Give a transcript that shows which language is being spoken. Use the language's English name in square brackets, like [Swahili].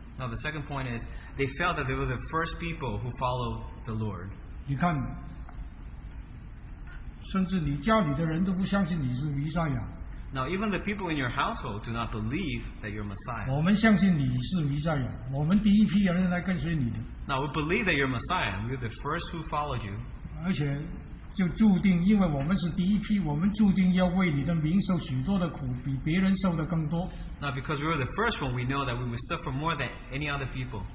[English] Now the second point is they felt that they were the first people who followed the Lord [Chinese] 你看甚至你家里的人都不相信你是弥赛亚 [English] Now even the people in your household do not believe that you're Messiah [Chinese] 我们相信你是弥赛亚 我们第一批人来跟随你的 [English] Now we believe that you're Messiah we're the first who followed you [Chinese] 而且 就注定因为我们是第一批我们注定要为你的名受许多的苦比别人受的更多 [English] Now because we were the first one we know that we would suffer more than any other people